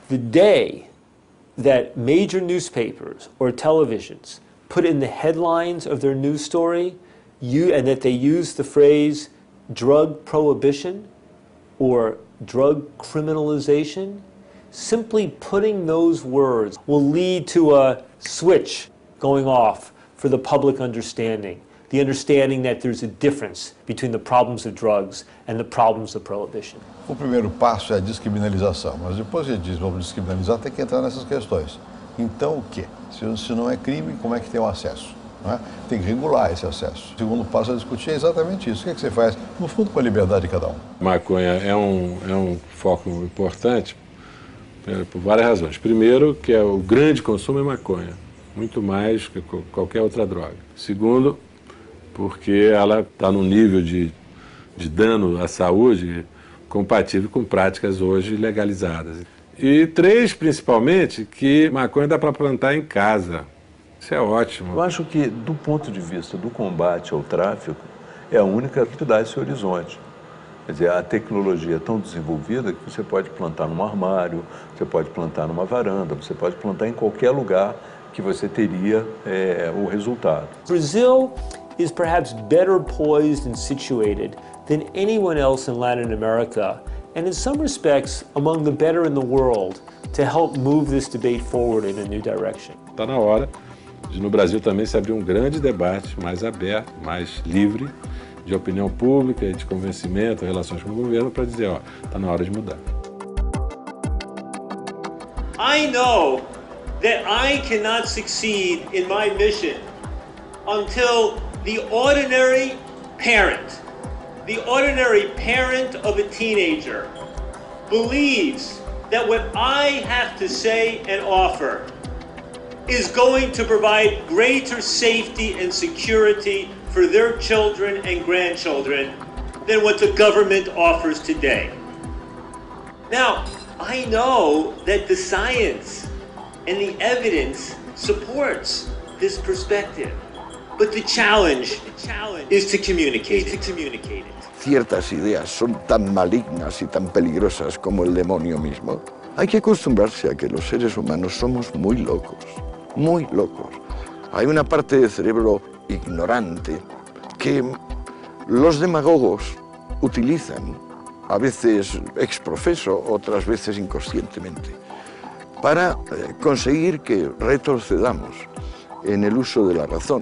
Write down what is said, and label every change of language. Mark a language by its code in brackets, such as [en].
[en] The day that major newspapers or televisions put in the headlines of their news story, and that they use the phrase drug prohibition or drug criminalization, simply putting those words will lead to a switch going off for the public understanding, the understanding that there's a difference between the problems of drugs and the problems of prohibition. [pt] O primeiro passo é a descriminalização, mas depois que diz vamos descriminalizar, tem que entrar nessas questões. Então o quê? Se não é crime, como é que tem o acesso? Não é? Tem que regular esse acesso. O segundo passo a discutir é exatamente isso. O que é que você faz, no fundo, com a liberdade de cada um? Maconha é um foco importante por várias razões. Primeiro, que é o grande consumo é maconha, muito mais que qualquer outra droga. Segundo, porque ela está num nível de dano à saúde compatível com práticas hoje legalizadas. E três, principalmente, que maconha dá para plantar em casa. Isso é ótimo. Eu acho que, do ponto de vista do combate ao tráfico, é a única que dá esse horizonte. Quer dizer, a tecnologia é tão desenvolvida que você pode plantar num armário, você pode plantar numa varanda, você pode plantar em qualquer lugar que você teria o resultado. [en] Brazil is perhaps better poised and situated than anyone else in Latin America, and in some respects, among the better in the world to help move this debate forward in a new direction. [pt] Está na hora de, no Brasil também, se abrir um grande debate mais aberto, mais livre, de opinião pública e de convencimento, relações com o governo, para dizer, ó, está na hora de mudar. [en] I know that I cannot succeed in my mission until the ordinary parent, the ordinary parent of a teenager, believes that what I have to say and offer is going to provide greater safety and security for their children and grandchildren than what the government offers today. Now, I know that the science and the evidence supports this perspective, but the challenge is to communicate it. [es] Ciertas ideas son tan malignas y tan peligrosas como el demonio mismo. Hay que acostumbrarse a que los seres humanos somos muy locos. Muy locos. Hay una parte del cerebro ignorante que los demagogos utilizan, a veces exprofeso, otras veces inconscientemente, para conseguir que retrocedamos en el uso de la razón.